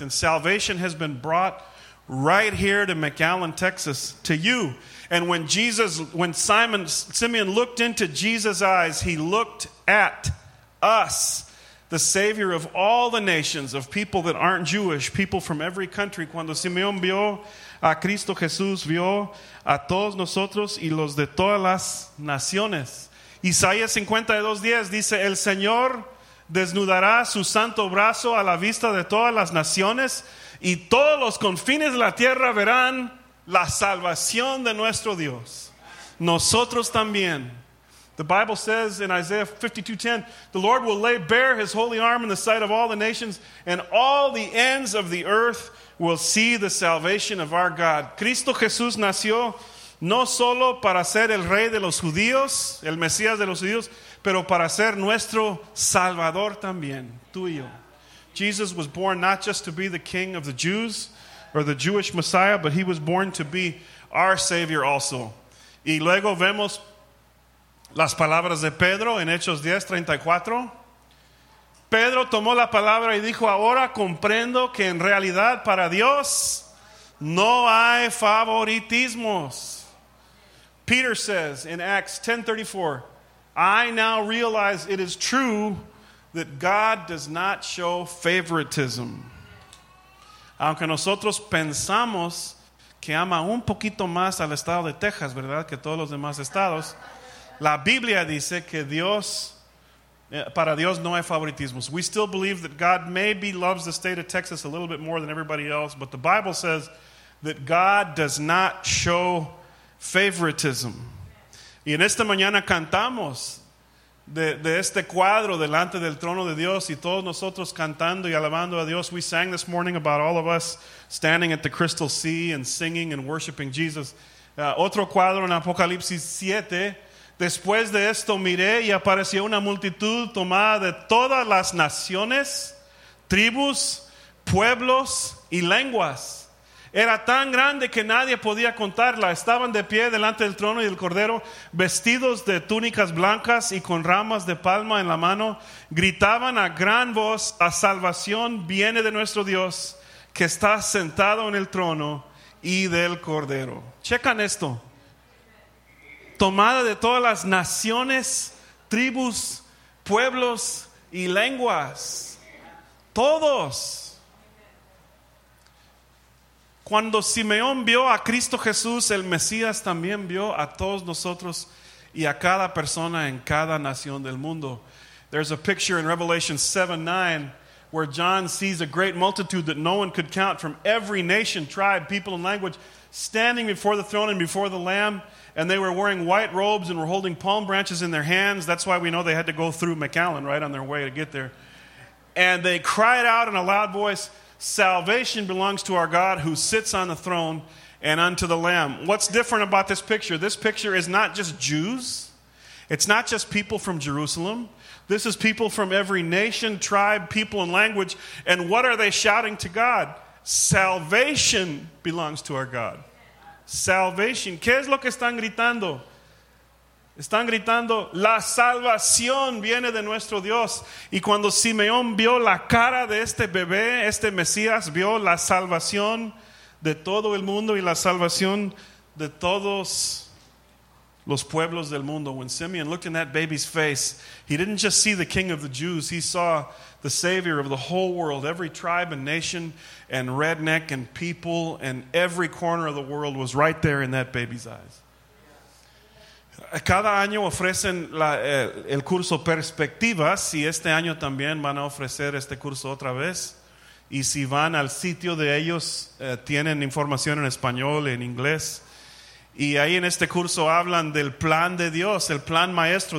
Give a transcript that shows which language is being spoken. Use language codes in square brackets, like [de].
[en] And salvation has been brought right here to McAllen, Texas, to you. And when Simeon looked into Jesus' eyes, he looked at us, the Savior of all the nations, of people that aren't Jewish, people from every country. [es] Cuando Simeón vio a Cristo Jesús, vio a todos nosotros y los de todas las naciones. Isaías 52:10 dice, el Señor desnudará su santo brazo a la vista de todas las naciones y todos los confines de la tierra verán la salvación de nuestro Dios. Nosotros también. [en] The Bible says in Isaiah 52:10, the Lord will lay bare his holy arm in the sight of all the nations, and all the ends of the earth will see the salvation of our God. [es] Cristo Jesús nació no solo para ser el rey de los judíos, el Mesías de los judíos, pero para ser nuestro Salvador también, tú y yo. [en] Jesus was born not just to be the king of the Jews or the Jewish Messiah, but he was born to be our Savior also. [es] Y luego vemos las palabras de Pedro en Hechos 10:34. Pedro tomó la palabra y dijo, ahora comprendo que en realidad para Dios no hay favoritismos. [en] Peter says in Acts 10:34, I now realize it is true that God does not show favoritism. [es] Aunque nosotros pensamos que ama un poquito más al estado de Texas, ¿verdad?, que todos los demás estados, La Biblia dice que Dios, para Dios no hay favoritismos. [en] We still believe that God maybe loves the state of Texas a little bit more than everybody else, but the Bible says that God does not show favoritism. [es] Y en esta mañana cantamos de este cuadro delante del trono de Dios y todos nosotros cantando y alabando a Dios. [en] We sang this morning about all of us standing at the crystal sea and singing and worshiping Jesus. [es] Otro cuadro en Apocalipsis 7. Después de esto miré y apareció una multitud tomada de todas las naciones, tribus, pueblos y lenguas. Era tan grande que nadie podía contarla. Estaban de pie delante del trono y del cordero, vestidos de túnicas blancas y con ramas de palma en la mano. Gritaban a gran voz: a salvación viene de nuestro Dios, que está sentado en el trono y del cordero. Checan esto. Tomada de todas las naciones, tribus, pueblos y lenguas. Todos. Cuando Simeón vio a Cristo Jesús, el Mesías, también vio a todos nosotros y a cada persona en cada nación del mundo. [en] There's a picture in Revelation 7:9 where John sees a great multitude that no one could count from every nation, tribe, people, and language standing before the throne and before the Lamb. And they were wearing white robes and were holding palm branches in their hands. That's why we know they had to go through McAllen, right, on their way to get there. And they cried out in a loud voice, "Salvation belongs to our God who sits on the throne and unto the Lamb." What's different about this picture? This picture is not just Jews. It's not just people from Jerusalem. This is people from every nation, tribe, people, and language. And what are they shouting to God? Salvation belongs to our God. Salvation. [es] ¿Qué es lo que están gritando? Están gritando, la salvación viene de nuestro Dios. Y cuando Simeón vio la cara de este bebé, este Mesías, vio la salvación de todo el mundo y la salvación de todos los pueblos del mundo. [en] When Simeon looked in that baby's face, he didn't just see the King of the Jews, he saw the Savior of the whole world. Every tribe and nation and redneck and people and every corner of the world was right there in that baby's eyes. [es] Cada año ofrecen el curso Perspectivas, y este año también van a ofrecer este curso otra vez. Y si van al sitio de ellos, tienen información en español, en inglés. Y ahí en este curso hablan del plan de Dios, el plan maestro.